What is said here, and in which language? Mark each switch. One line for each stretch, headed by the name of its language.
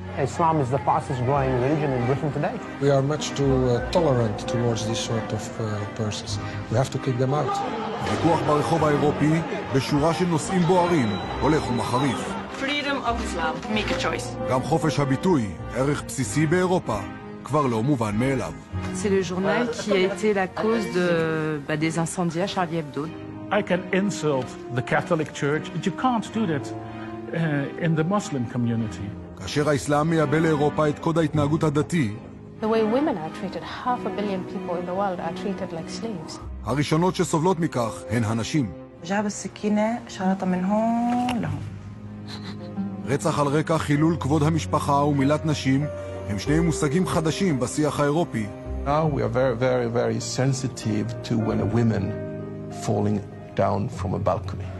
English: Islam is the fastest growing religion in Britain today. We are much too tolerant towards this sort of persons. We have to kick them out.
Hebrew: ויכוח ברחוב האירופי בשורה של נושאים בוערים הולך ומחריף.
English: Freedom of Islam, make a choice.
Hebrew: גם חופש הביטוי, ערך בסיסי באירופה, כבר לא מובן מאליו.
French: C'est le journal qui a été la cause de des incendies à Charlie Hebdo.
English: I can insult the Catholic Church, but you can't do that in the Muslim community.
Hebrew: כאשר האסלאם מייבל לאירופה את קוד ההתנהגות הדתי.
English: The way women are treated, half a billion people in the world are treated like slaves.
Hebrew: הראשונות שסובלות מכך הן הנשים. רצח על רקע חילול כבוד המשפחה ומילת נשים הם שני מושגים חדשים בשיח האירופי.
English: Now we are very, very, very sensitive to when a woman falling down from a balcony.